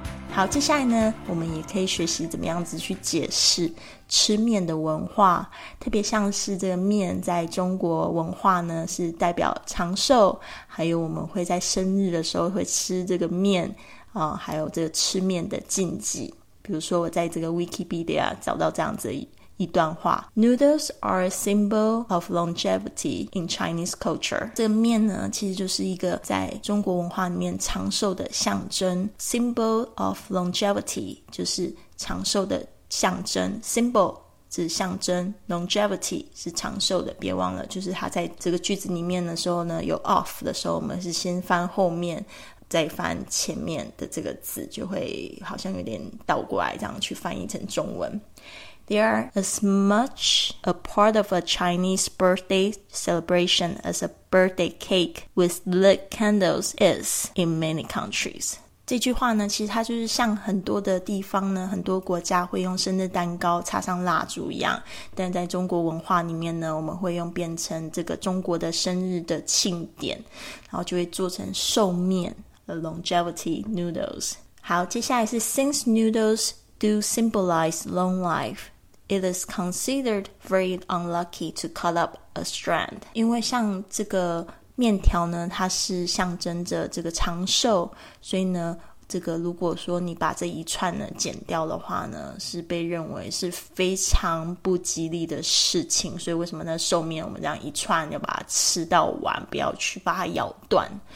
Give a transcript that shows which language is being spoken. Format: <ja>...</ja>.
<zh>好，接下来呢我们也可以学习怎么样子去解释吃面的文化，特别像是这个面在中国文化呢是代表长寿，还有我们会在生日的时候会吃这个面，还有这个吃面的禁忌。比如说我在这个 Wikipedia 找到这样子一段话，</zh> <en>Noodles are a symbol of longevity in Chinese culture.</en> <zh>这个面呢其实就是一个在中国文化里面长寿的象征， Symbol of longevity 就是长寿的象征， Symbol 是象征， Longevity 是长寿的。别忘了就是它在这个句子里面的时候呢，有 of 的时候我们是先翻后面再翻前面的这个字，就会好像有点倒过来这样去翻译成中文。</zh> <en>They are as much a part of a Chinese birthday celebration as a birthday cake with lit candles is in many countries.</en> <zh>这句话呢，其实它就是像很多的地方呢，很多国家会用生日蛋糕插上蜡烛一样，但在中国文化里面呢，我们会用变成这个中国的生日的庆典，然后就会做成寿面 ,a longevity noodles. 好，接下来是</zh> <en>since noodles,do symbolize long life. It is considered very unlucky to cut up a strand.</en> <zh>因为像这个面条呢，它是象征着这个长寿，所以呢，这个如果说你把这一串呢剪掉的话呢，是被认为是非常不吉利的事情。所以为什么呢？寿面我们这样一串要把它吃到完，不要去把它咬断。</zh>